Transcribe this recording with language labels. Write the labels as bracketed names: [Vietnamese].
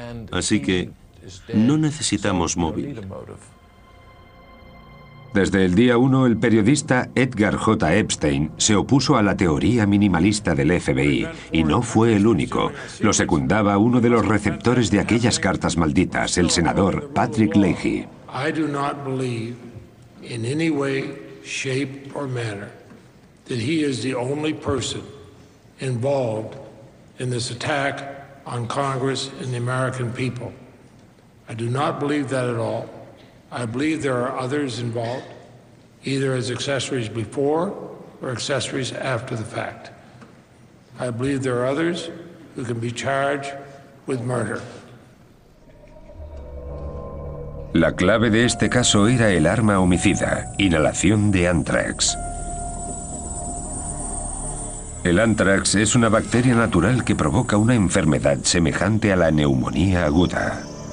[Spanish] Así que no necesitamos móvil. Desde el día 1, el periodista Edgar J. Epstein se opuso a la teoría minimalista del FBI, y no fue el único. Lo secundaba uno de los receptores de aquellas cartas malditas, el senador Patrick Leahy. [English] I do not believe in any way, shape or manner that he is the only person involved in this attack on Congress and the American people. I do not believe that at all. I believe there are others involved, either as accessories before or accessories after the fact. I believe there are others who can be charged with murder. [Spanish] La clave de este caso era el arma homicida, inhalación de anthrax. El anthrax es una bacteria natural que provoca una enfermedad semejante a la neumonía aguda.